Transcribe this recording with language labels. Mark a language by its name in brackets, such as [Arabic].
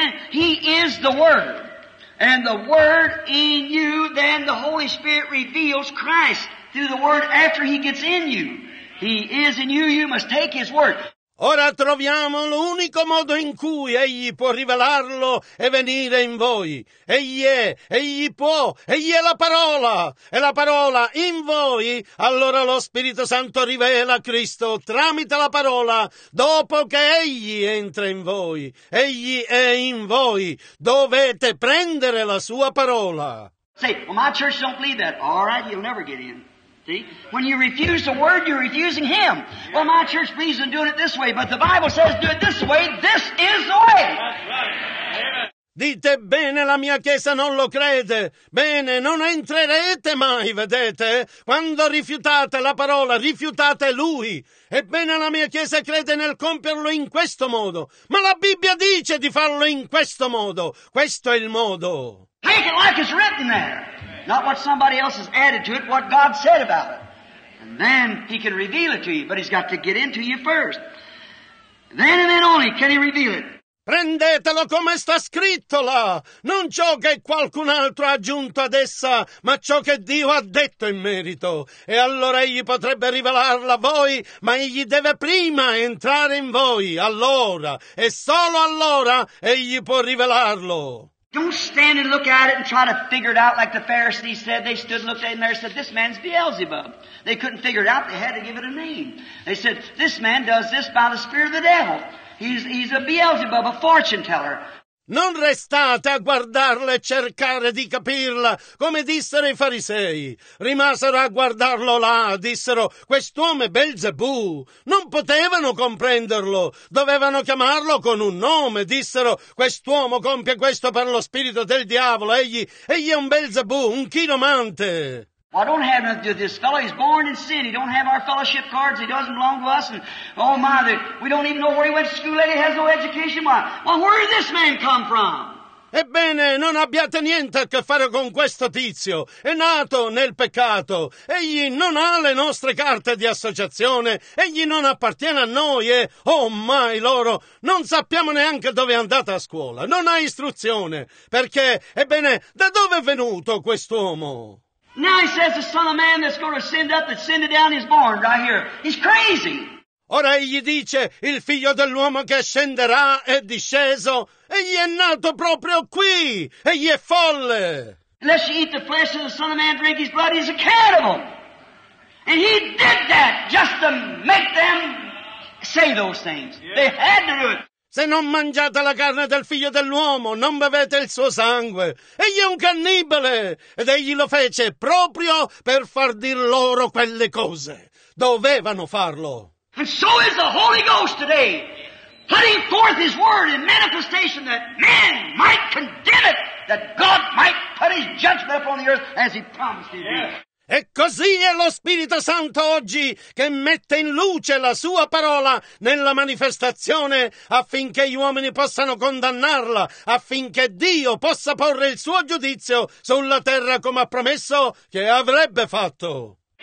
[English] He is the Word. And the Word in you, then the Holy Spirit reveals Christ through the Word after he gets in you. He is in you, you must take his Word. [Italian] Ora troviamo l'unico modo in cui egli può rivelarlo e venire in voi. Egli è la parola. E la parola in voi, allora lo Spirito Santo rivela Cristo tramite la parola dopo che egli entra in voi. Egli è in voi. Dovete prendere la sua parola. [English] Say, well, my church don't believe that. All right, you'll never get in. See? When you refuse the word, you're refusing him. Yeah. Well, my church believes in doing it this way, but the Bible says do it this way. This is the way. That's right. Amen. [Italian] Dite bene, la mia chiesa non lo crede. Bene, non entrerete mai, vedete? Quando rifiutate la parola, rifiutate lui. Ebbene, la mia chiesa crede nel compierlo in questo modo. Ma la Bibbia dice di farlo in questo modo. Questo è il modo. [English] Take it like it's written there. Not what somebody else has added to it, what God said about it. And then he can reveal it to you, but he's got to get into you first. Then and then only can he reveal it. [Italian] Prendetelo come sta scritto là, non ciò che qualcun altro ha aggiunto ad essa, ma ciò che Dio ha detto in merito. E allora egli potrebbe rivelarla a voi, ma egli deve prima entrare in voi, allora, e solo allora, egli può rivelarlo. [English] Don't stand and look at it and try to figure it out like the Pharisees said. They stood and looked at it and there said, this man's Beelzebub. They couldn't figure it out, they had to give it a name. They said, this man does this by the spirit of the devil. He's a Beelzebub, a fortune teller. [Italian] Non restate a guardarla e cercare di capirla, come dissero i farisei. Rimasero a guardarlo là, dissero, quest'uomo è Belzebù. Non potevano comprenderlo, dovevano chiamarlo con un nome, dissero, quest'uomo compie questo per lo spirito del diavolo, egli è un Belzebù, un chiromante. [English] Well, I don't have nothing to do with this fellow. He's born in sin. He don't have our fellowship cards. He doesn't belong to us. And oh my, we don't even know where he went to school. He has no education. Well, where did this man come from? [Italian] Ebbene, non abbiate niente a che fare con questo tizio. È nato nel peccato. Egli non ha le nostre carte di associazione. Egli non appartiene a noi e, oh mai loro, non sappiamo neanche dove è andata a scuola. Non ha istruzione. Perché, ebbene, da dove è venuto quest'uomo? [English] Now he says the son of man that's going to send up, that's sending down his barn right here. He's crazy. [Italian] Ora egli dice, il figlio dell'uomo che scenderà è disceso. Egli è nato proprio qui. Egli è folle. [English] Unless you eat the flesh of the son of man, drink his blood, he's a cannibal. And he did that just to make them say those things. Yeah. They had to do it. [Italian] Se non mangiate la carne del figlio dell'uomo, non bevete il suo sangue. Egli è un cannibale! Ed egli lo fece proprio per far dir loro quelle cose. Dovevano farlo. [English] And so is the Holy Ghost today, putting forth his word in manifestation that man might condemn it, that God might put his judgment upon the earth as he promised he'd do. [Italian] E così è lo Spirito Santo oggi che mette in luce la sua parola nella manifestazione affinché gli uomini possano condannarla, affinché Dio possa porre il suo giudizio sulla terra come ha promesso che avrebbe fatto.